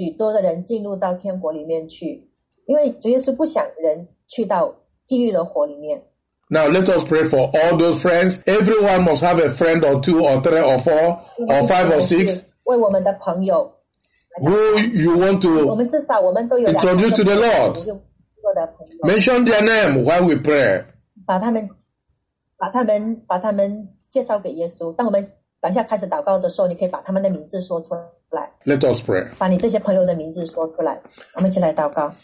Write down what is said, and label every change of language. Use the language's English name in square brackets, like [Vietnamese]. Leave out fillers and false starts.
[Chinese] 主耶稣想要许多的人进入到天国里面去, 因为主耶稣不想人去到地狱的火里面。 [English] Now let us pray for all those friends. Everyone must have a friend or two or three or four or five or six. [Chinese] 为我们的朋友, [English] who you want to introduce to the Lord. Mention their name while we pray. [Chinese] 把他们 介绍给耶稣, 当我们等一下开始祷告的时候, 你可以把他们的名字说出来, [English] Let us pray. [Chinese] 把你这些朋友的名字说出来, 我们一起来祷告。